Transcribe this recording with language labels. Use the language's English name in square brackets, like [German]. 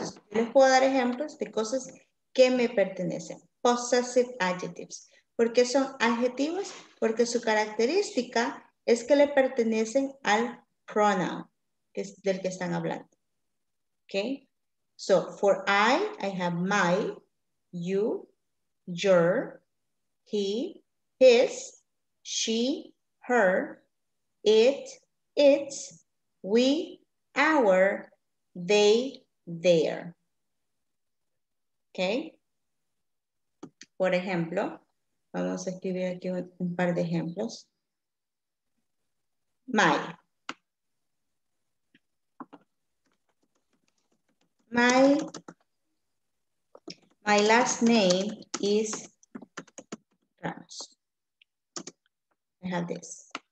[Spanish] Yo les puedo dar ejemplos de cosas que me pertenecen. Possessive adjectives. ¿Por qué son adjetivos? Porque su característica es que le pertenecen al pronoun que es del que están hablando. [English] Okay. So, for I have my, you, your, he, his, she, her, it, its, we, our, they, there. Okay. [Spanish] Por ejemplo, vamos a escribir aquí un par de ejemplos. [English] My last name is Ramos. I have this.